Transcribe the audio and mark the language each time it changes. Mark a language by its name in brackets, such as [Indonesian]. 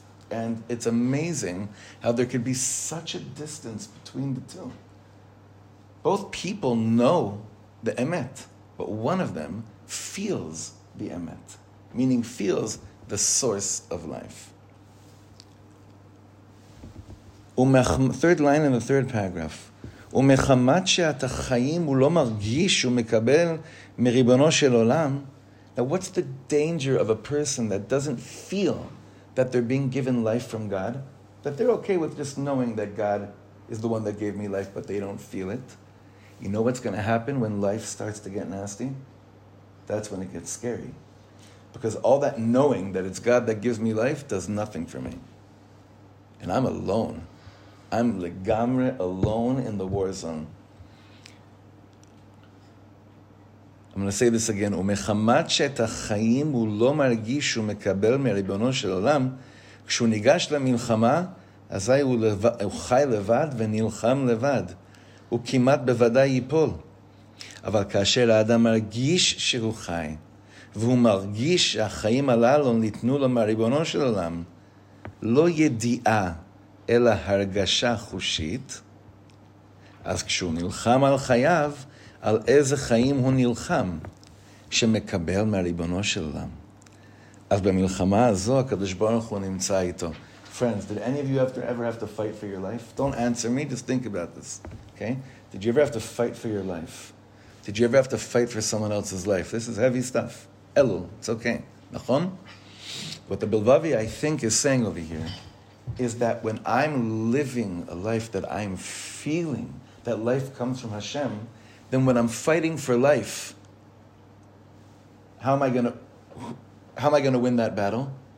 [English] And it's amazing how there could be such a distance between the two. Both people know the emet, but one of them feels the emet, meaning feels the source of life. Third line in the third paragraph. [Hebrew] ומחמת שאתה חיים הוא לא מרגיש הוא מקבל מריבונו של עולם. [English] Now what's the danger of a person that doesn't feel that they're being given life from God? That they're okay with just knowing that God is the one that gave me life, but they don't feel it. You know what's going to happen when life starts to get nasty? That's when it gets scary. Because all that knowing that it's God that gives me life does nothing for me. And I'm alone. I'm legamre alone in the war zone. I'm going to say this again. [Hebrew] ומחמת שאת החיים הוא לא מרגיש שהוא מקבל מריבונו של עולם, כשהוא ניגש למלחמה, אזי הוא חי לבד ונלחם לבד. הוא כמעט בוודאי ייפול. אבל כאשר האדם מרגיש שהוא חי, והוא מרגיש שהחיים הללו ניתנו לו מריבונו של עולם, לא ידיעה, אלא הרגשה חושית, אז כשהוא נלחם על חייו, על איזה חיים הוא נלחם, שמקבל מהריבונו של עולם. אז במלחמה הזו, הקדוש ברוך הוא נמצא איתו. [English] Friends, did any of you ever have to fight for your life? Don't answer me, just think about this. Okay? Did you ever have to fight for your life? Did you ever have to fight for someone else's life? This is heavy stuff. Elul, it's okay. נכון? What the Bilvavi, I think, is saying over here, is that when I'm living a life that I'm feeling that life comes from Hashem, then when I'm fighting for life, how am I gonna win that battle?